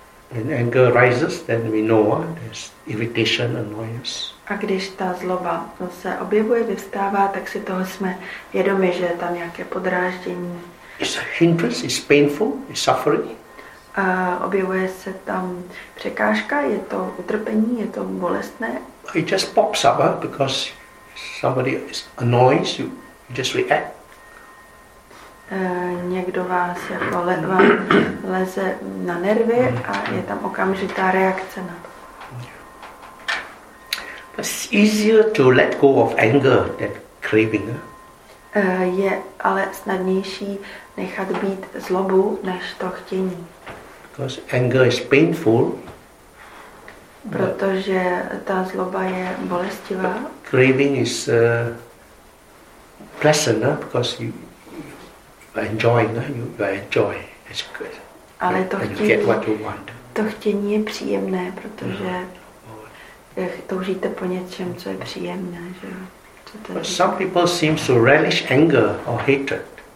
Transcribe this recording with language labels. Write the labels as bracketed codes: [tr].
[en] When anger rises, then we know there's irritation, annoyance. [cs] A když ta zloba se objevuje, vyvstává, tak si toho jsme vědomi, že je tam nějaké podráždění. [en] It's a hindrance, it's painful, it's suffering. [cs] A objevuje se tam překážka, je to utrpení, je to bolestné. [en] It just pops up, because somebody annoys you, you just react. [cs] Někdo vás jako vám leze na nervy a je tam okamžitá reakce na to. [en] It's easier to let go of anger than craving. [cs] Je ale snadnější nechat být zlobu než to chtění. [en] Because anger is painful. [cs] Protože ta zloba je bolestivá. [en] Craving is pleasant, because you enjoy. It's good. [cs] Ale to chtění, [en] you get what you want. [cs] To chtění je příjemné, protože toužíte po něčem, co je příjemné, že? [en] But some people seem to relish anger or hatred.